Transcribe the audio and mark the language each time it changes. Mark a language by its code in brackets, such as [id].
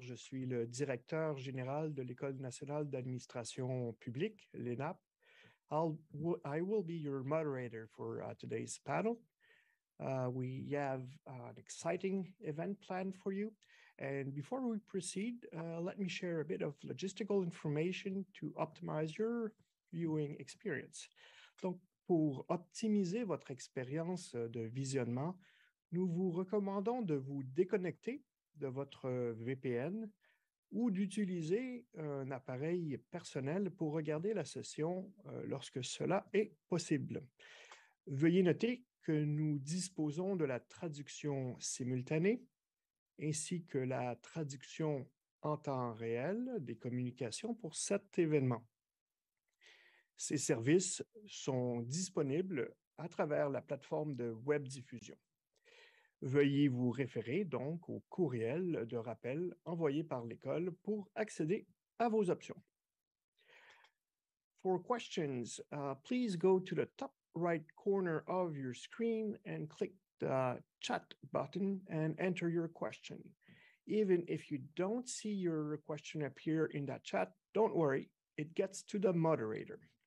[fr] Je suis le directeur général de l'École nationale d'administration publique, l'ENAP. [en] I will be your moderator for today's panel. We have an exciting event planned for you. And before we proceed, let me share a bit of logistical information to optimize your viewing experience. [fr] Donc, pour optimiser votre expérience de visionnement, nous vous recommandons de vous déconnecter de votre VPN ou d'utiliser un appareil personnel pour regarder la session lorsque cela est possible. Veuillez noter que nous disposons de la traduction simultanée ainsi que la traduction en temps réel des communications pour cet événement. Ces services sont disponibles à travers la plateforme de web diffusion. Veuillez vous référer donc au courriel de rappel envoyé par l'école pour accéder à vos options. [en] For questions, please go to the top right corner of your screen and click the chat button and enter your question. Even if you don't see your question appear in that chat, don't worry, it gets to the moderator.